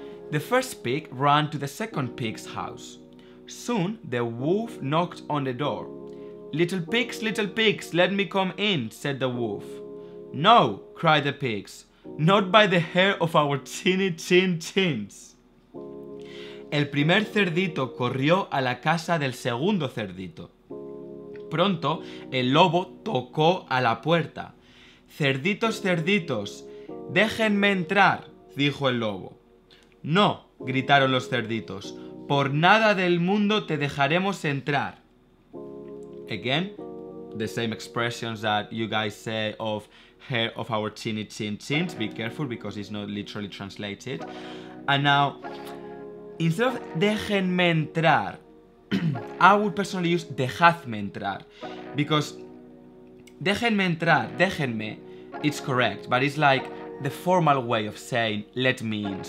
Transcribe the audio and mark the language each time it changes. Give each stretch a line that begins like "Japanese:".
English: The first pig ran to the second pig's house. Soon the wolf knocked on the door. Little pigs, let me come in, said the wolf. No, cried the pigs, not by the hair of our teeny chin chins.
Spanish: El primer cerdito corrió a la casa del segundo cerdito. Pronto, el lobo tocó a la puerta. Cerditos, cerditos, déjenme entrar, dijo el lobo. No, gritaron los cerditos, por nada del mundo te dejaremos entrar.
English: Again, the same expressions that you guys say of hair of our chinny chin chins. Be careful because it's not literally translated. And now, instead of
Spanish: déjenme entrar,
English: I would personally use
Spanish: dejadme entrar,
English: because déjenme entrar, déjenme, it's correct, but it's like the formal way of saying let me in.